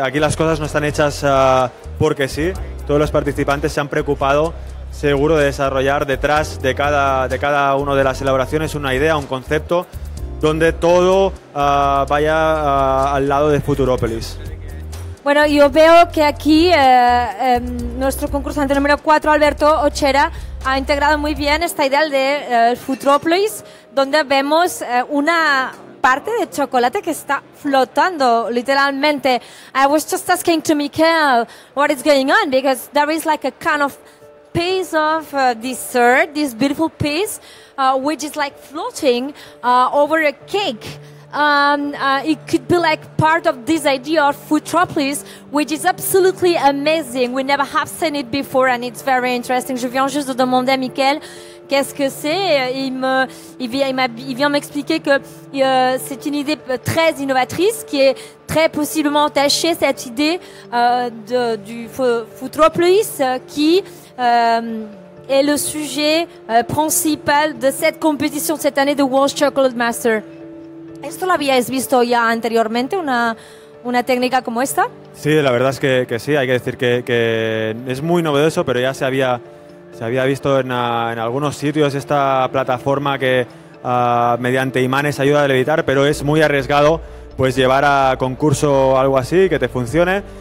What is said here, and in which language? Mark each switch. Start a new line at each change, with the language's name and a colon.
Spanish: Aquí las cosas no están hechas porque sí. Todos los participantes se han preocupado, seguro, de desarrollar detrás de cada una de las elaboraciones una idea, un concepto, donde todo vaya al lado de Futuropolis. Bueno, yo veo que aquí nuestro concursante número 4, Alberto Ochera, ha integrado muy bien esta idea de Futuropolis, donde vemos una parte de chocolate que está flotando, literalmente.
English: I was just asking to Mikael what is going on, because there is like a kind of piece of dessert, this beautiful piece, which is like floating over a cake. It could be like part of this idea of Futuropolis, which is absolutely amazing. We never have seen it before and it's very interesting.
French: Je viens juste de demander à Mikael qu'est-ce que c'est. Il vient m'expliquer que c'est une idée très innovatrice qui est très possiblement attachée, cette idée du Futuropolis qui est le sujet principal de cette compétition cette année de World Chocolate Master.
Spanish: ¿Esto lo habíais visto ya anteriormente, una técnica como esta? Sí, la verdad es que sí, hay que decir que es muy novedoso, pero ya se había visto en algunos sitios esta plataforma que mediante imanes ayuda a levitar, pero es muy arriesgado pues llevar a concurso algo así, que te funcione.